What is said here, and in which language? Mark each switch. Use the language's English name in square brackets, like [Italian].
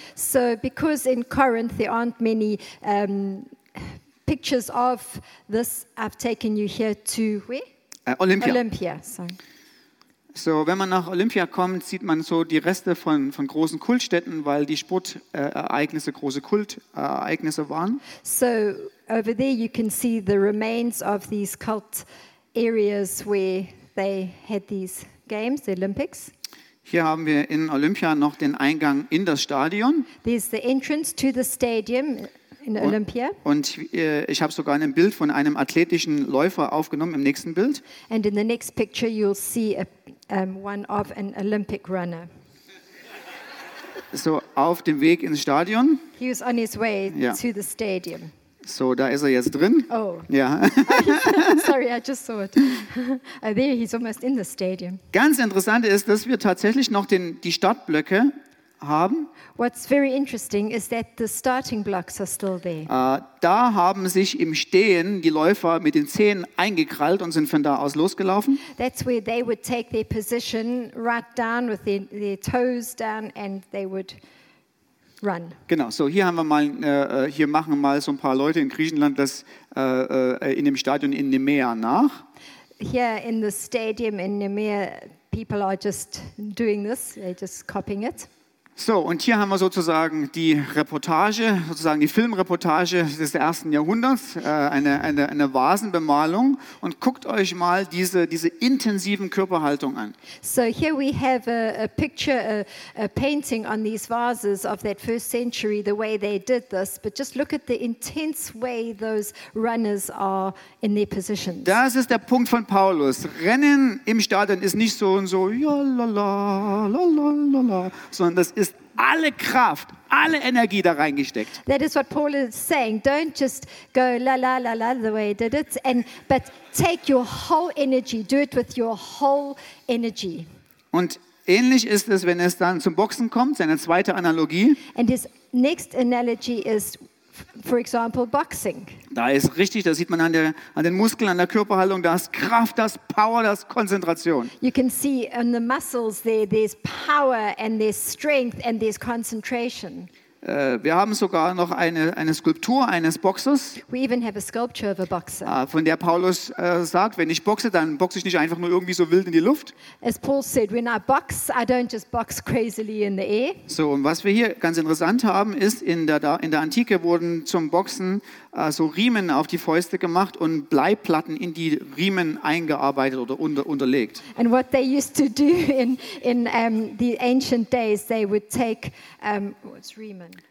[English] So, because in Corinth there aren't many pictures of this, I've taken you here to where? Olympia. Olympia, sorry. [German] So, wenn man nach Olympia kommt, sieht man so die Reste von großen Kultstätten, weil die Sportereignisse große Kultereignisse waren. [English] So, over there you can see the remains of these cult areas where they had these games, the Olympics. [German] Hier haben wir in Olympia noch den Eingang in das Stadion. [English] There's the entrance to the stadium in Olympia. [German] Und ich habe sogar ein Bild von einem athletischen Läufer aufgenommen im nächsten Bild. [English] And in the next picture you'll see one of an Olympic runner. [German] So auf dem Weg ins Stadion. [English] He was on his way to the stadium. [German] So, da ist er jetzt drin. Oh. Ja. [English] Sorry, I just saw it. There, he's almost in the stadium. [German] Ganz interessant ist, dass wir tatsächlich noch die Startblöcke haben. [English] What's very interesting is that the starting blocks are still there. [German] Da haben sich im Stehen die Läufer mit den Zehen eingekrallt und sind von da aus losgelaufen. [English] That's where they would take their position right down with their toes down and they would run. [German] Genau, so hier machen mal so ein paar Leute in Griechenland das in dem Stadion in Nemea nach. [English] Here in the stadium in Nemea, people are just doing this, they're just copying it. [German] So, und hier haben wir sozusagen die Reportage, sozusagen die Filmreportage des ersten Jahrhunderts, eine Vasenbemalung. Und guckt euch mal diese intensiven Körperhaltung an. [English] So, here we have a picture, a painting on these vases of that first century, the way they did this. But just look at the intense way those runners are in their positions. [German] Das ist der Punkt von Paulus. Rennen im Stadion ist nicht so und so, ja, la, la, la, la, sondern das ist alle Kraft, alle Energie da reingesteckt. [English] That is what Paul is saying. Don't just go la la la la the way he did it, but take your whole energy. Do it with your whole energy. [German] Und ähnlich ist es, wenn es dann zum Boxen kommt, seine zweite Analogie. [English] And his next analogy is, for example, boxing. [German] Da ist richtig, da sieht man an den Muskeln, an der Körperhaltung, da ist Kraft, da ist Power, da ist Konzentration. [English] You can see in the muscles there, there's power and there's strength and there's concentration. [German] Wir haben sogar noch eine Skulptur eines Boxers. [English] We even have a sculpture of a boxer. [German] Von der Paulus sagt, wenn ich boxe, dann boxe ich nicht einfach nur irgendwie so wild in die Luft. [English] As Paul said, when I box, I don't just box crazily in the air. [German] So, und was wir hier ganz interessant haben, ist in der Antike wurden zum Boxen so Riemen auf die Fäuste gemacht und Bleiplatten in die Riemen eingearbeitet oder unterlegt. [English] And what they used to do in the ancient days, they would take what's Riemen?